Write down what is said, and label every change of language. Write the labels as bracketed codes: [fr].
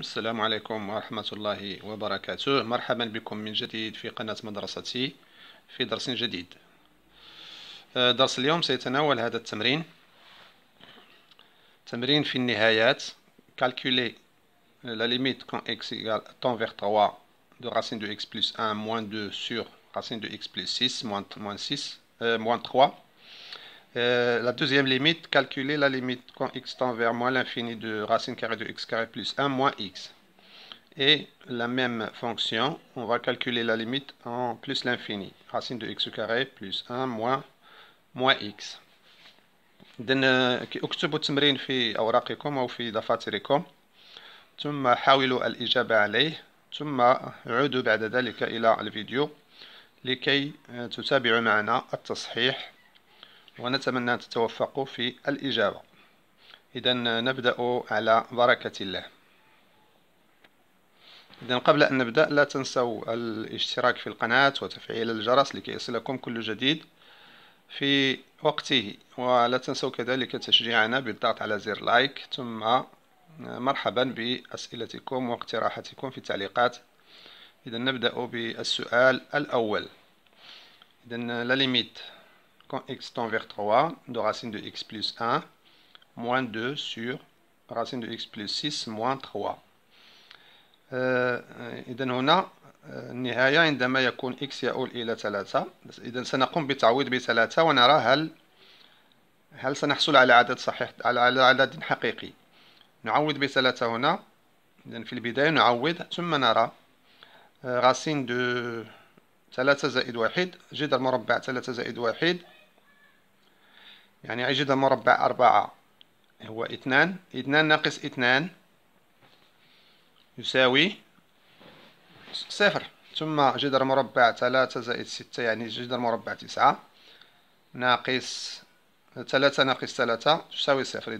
[ar] السلام عليكم ورحمة الله وبركاته. مرحبا بكم من جديد في قناة مدرستي في درس جديد. درس اليوم سيتناول هذا التمرين، تمرين في النهايات. [fr] calculer la limite quand x égale tend vers 3 de racine de x plus 1 moins 2 sur racine de x plus 6 moins 6 moins 3. La deuxième limite, calculer la limite quand x tend vers moins l'infini de racine carrée de x carré plus 1 moins x. Et la même fonction, on va calculer la limite en plus l'infini, racine de x carré plus 1 moins x. [ar] Donc, اكتبوا التمرين في اوراقكم او في دفاتركم ثم حاولوا الاجابه عليه ثم عودوا بعد ذلك الى الفيديو لكي تتابعوا معنا التصحيح، ونتمنى أن تتوفقوا في الإجابة. إذا نبدأ على بركة الله. إذا قبل أن نبدأ، لا تنسوا الاشتراك في القناة وتفعيل الجرس لكي يصلكم كل جديد في وقته، ولا تنسوا كذلك تشجيعنا بالضغط على زر لايك. ثم مرحبا بأسئلتكم واقتراحاتكم في التعليقات. إذا نبدأ بالسؤال الأول. [fr] إذا لا ليميت quand x tend vers 3 de racine de x plus 1 moins 2 sur racine de x plus 6 moins 3. [ar] إذن هنا النهاية عندما يكون x يؤول إلى 3. إذن سنقوم بتعويض ب3 ونرى هل سنحصل على عدد صحيح، على عدد حقيقي. نعوض ب3 هنا. إذن في البداية نعوض ثم نرى [fr] راسين دو [ar] 3 زائد 1، جذر مربع 3 زائد 1 يعني عجد مربع 4 هو 2، 2 ناقص 2 يساوي 0، ثم جذر مربع 3 زائد 6 يعني جذر مربع 9 ناقص 3 ناقص 3 تساوي 0.